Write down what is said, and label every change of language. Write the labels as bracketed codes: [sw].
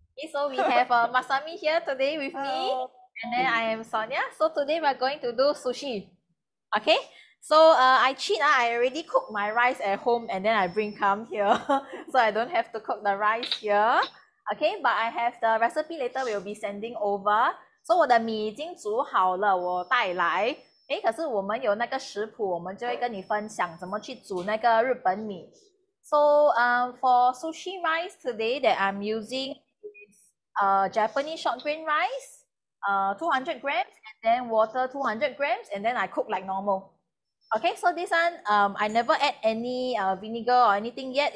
[en] So we have Masami here today with me, and then I am Sonia. So today we're going to do sushi. Okay. So I cheat. I already cook my rice at home, and then I bring come here, so I don't have to cook the rice here. Okay, but I have the recipe later. We'll be sending over. [zh] So 我的米已经煮好了，我带来。哎，可是我们有那个食谱，我们就会跟你分享怎么去煮那个日本米。 [en] So for sushi rice today that I'm using is Japanese short grain rice, 200 grams, and then water 200 grams, and then I cook like normal. Okay, so this one I never add any vinegar or anything yet.